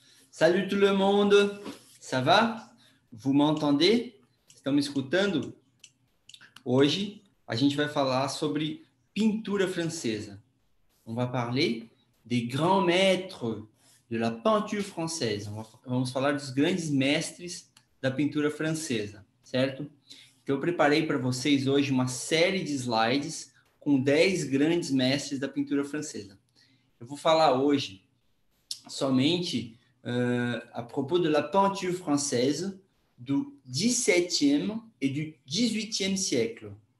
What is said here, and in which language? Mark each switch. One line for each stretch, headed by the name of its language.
French: Salut tout le monde, ça va? Vous m'entendez?
Portuguese: Estão me escutando? Hoje a gente vai falar sobre pintura francesa.
French: On va parler des grands maîtres de la peinture française.
Portuguese: Vamos falar dos grandes mestres da pintura francesa, certo? Eu preparei para vocês hoje uma série de slides com 10 grandes mestres da pintura francesa. Eu vou falar hoje somente
French: a propos de la peinture française
Portuguese: do 17e e do 18e século.